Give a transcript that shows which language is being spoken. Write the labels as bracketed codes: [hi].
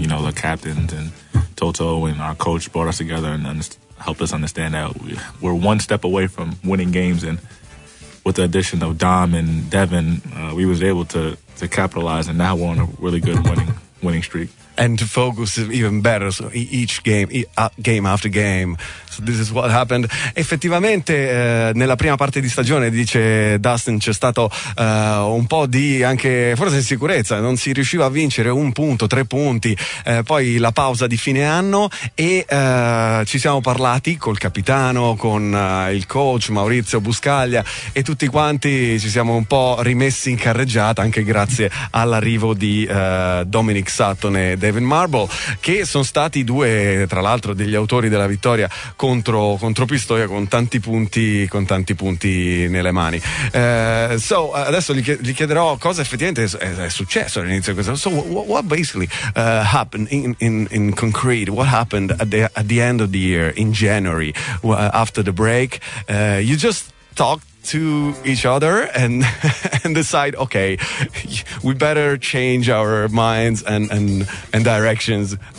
[en] You know, the captains and Toto and our coach brought us together and helped us understand that we're one step away from winning games. And with the addition of Dom and Devin, we was able to capitalize. And now we're on a really good winning streak. And to focus even better, so each game, game after game. So this is what happened. [it] Effettivamente, nella prima parte di stagione, dice Dustin, c'è stato un po' di anche forse insicurezza, non si riusciva a vincere un punto, tre punti, poi la pausa di fine anno e ci siamo parlati col capitano, con il coach Maurizio Buscaglia e tutti quanti ci siamo un po' rimessi in carreggiata, anche grazie all'arrivo di Dominic Sutton e David Marble, che sono stati due, tra l'altro, degli autori della vittoria contro Pistoia, con tanti punti nelle mani. Adesso gli chiederò cosa effettivamente è successo all'inizio di questa. [en] So what basically happened in concrete? What happened at the end of the year in January after the break? You just talked to each other and decide, okay, we better change our minds and directions.